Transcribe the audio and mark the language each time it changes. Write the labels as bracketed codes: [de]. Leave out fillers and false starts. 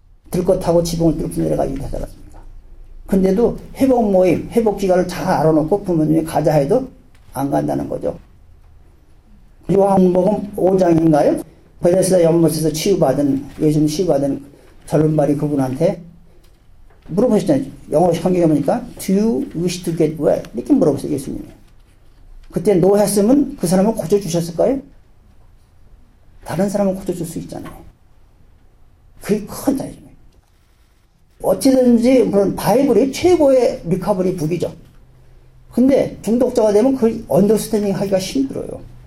[ko] 들것하고 지붕을 뚫고 내려가 일하다갔습니다. 근데도 회복 모임, 회복 기간을 잘 알아놓고 부모님이 가자 해도 안 간다는 거죠. 요한복음 5장인가요? 베데스다 연못에서 치유받은, 예수님 치유받은 젊은 말이 그분한테 물어보셨잖아요. 영어 성경에 보니까, [en] Do you wish to get well? [ko] 이렇게 물어보셨어요, 예수님이. 그때 no 했으면 그 사람을 고쳐주셨을까요? 다른 사람은 고쳐줄 수 있잖아요. 그게 큰 차이죠. 어찌든지, 물론 바이블이 최고의 리커버리 북이죠. 근데 중독자가 되면 그 언더스탠딩 하기가 힘들어요.